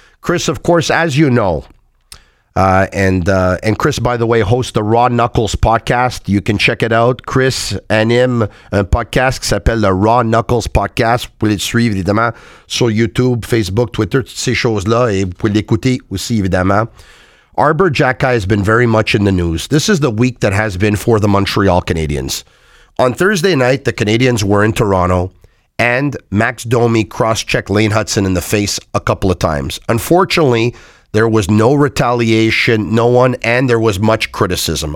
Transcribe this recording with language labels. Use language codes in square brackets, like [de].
[en] Chris, of course, as you know, and Chris, by the way, hosts the Raw Knuckles podcast. You can check it out. Chris and him, [fr] un podcast qui s'appelle le Raw Knuckles podcast. Vous pouvez le suivre, évidemment, sur YouTube, Facebook, Twitter, toutes ces choses-là. Et vous pouvez l'écouter aussi, évidemment. [en] Herbert Jacquet has been very much in the news. This is the week that has been for the Montreal Canadiens. On Thursday night, the Canadiens were in Toronto, and Max Domi cross-checked Lane Hudson in the face a couple of times. Unfortunately, there was no retaliation, no one, and there was much criticism.